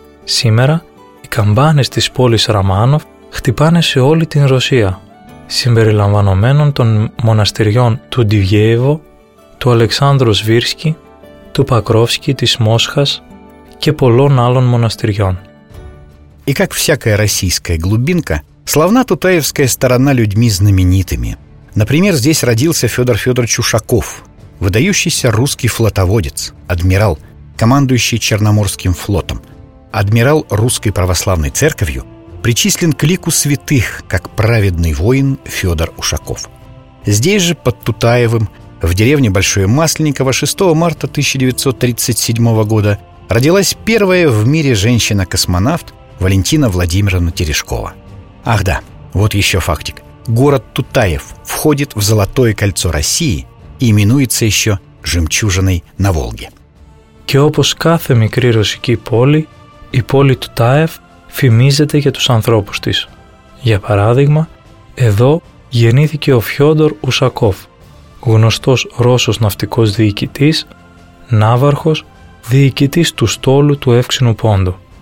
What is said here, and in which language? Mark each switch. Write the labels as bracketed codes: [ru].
[el] Σήμερα, οι καμπάνες της πόλης Ραμάνοφ χτυπάνε σε όλη την Ρωσία, συμπεριλαμβανομένων των μοναστηριών του Ντιβιέβο, του Αλεξάνδρου Σβίρσκι, του Πακρόφσκι της Μόσχας και πολλών άλλων μοναστηριών. [ru] И как всякая российская глубинка, славна тутаевская сторона людьми знаменитыми. Например, здесь родился Федор Федорович Ушаков, выдающийся русский флотоводец, адмирал, командующий Черноморским флотом, адмирал Русской Православной Церковью, причислен к лику святых, как праведный воин Федор Ушаков. Здесь же, под Тутаевым, в деревне Большое Масленниково, 6 марта 1937 года, родилась первая в мире женщина-космонавт Валентина Владимировна Терешкова. Ах да, вот еще фактик. Город Тутаев входит в Золотое кольцо России и именуется еще «Жемчужиной на Волге». [el] Και όπως κάθε μικρή ρωσική πόλη, η πόλη Τουτάεφ φημίζεται για τους ανθρώπους της. Για παράδειγμα, εδώ γεννήθηκε ο Φιόντορ Ουσακόφ, γνωστός Ρώσος ναυτικός διοικητής, ναύαρχος, διοικητής του στόλου του Εύξηνου Πόντου.